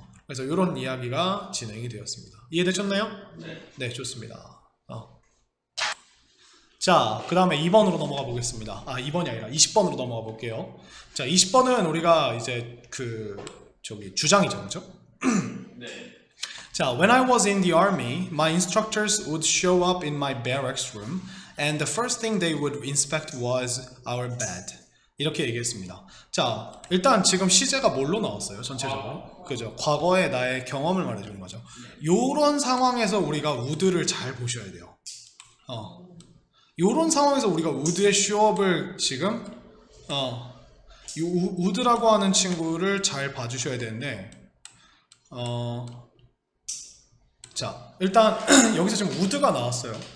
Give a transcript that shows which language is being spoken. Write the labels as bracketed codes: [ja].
[ko] 그래서 이런 이야기가 진행이 되었습니다. 이해되셨나요? 네. 네, 좋습니다. 자, 그 다음에 2번으로 넘어가 보겠습니다. 아, 2번이 아니라 20번으로 넘어가 볼게요. 자, 20번은 우리가 이제 그 저기 주장이죠, 그죠? 네. [en] 자, when I was in the army, my instructors would show up in my barracks room, and the first thing they would inspect was our bed. [ko] 이렇게 얘기했습니다. 자, 일단 지금 시제가 뭘로 나왔어요, 전체적으로? 그죠? 과거의 나의 경험을 말해주는 거죠. 요런 상황에서 우리가 우드를 잘 보셔야 돼요. 요런 상황에서 우리가 우드의 쇼업을 지금, 우드라고 하는 친구를 잘 봐주셔야 되는데, 자, 일단 여기서 지금 우드가 나왔어요.